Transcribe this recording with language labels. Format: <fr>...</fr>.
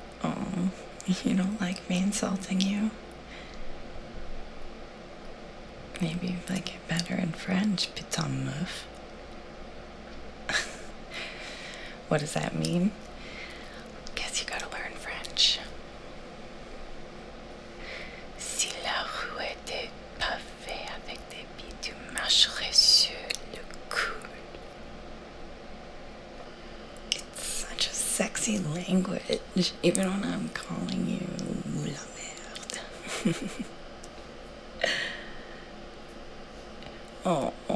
<en>Oh, you don't like me insulting you? Maybe you like it better in French,</en> <fr>putain meuf.</fr> <en>What does that mean? Guess you gotta learn French.</en> <fr>Si la rue était pavée avec des billes, tu marcherais sur le coude.</fr> <en>It's such a sexy language, even when I'm calling you moula merde. Oh.</en>